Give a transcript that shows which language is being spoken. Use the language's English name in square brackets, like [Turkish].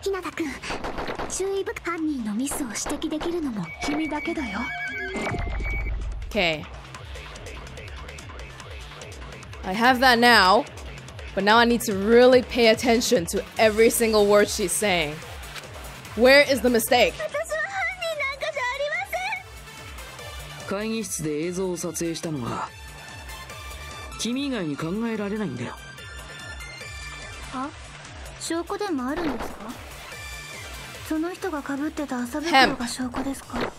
[Japanese] ひなたくん注意深く犯人のミスを指摘できるのも君だけだよ [English] OK I have that now but now I need to really pay attention to every single word she's saying Where is the mistake? [Japanese] 私は犯人なんかじゃありません会議室で映像を撮影したのは君以外に考えられないんだよ。あ、証拠でもあるんですか。その人が被ってた麻袋が証拠ですか。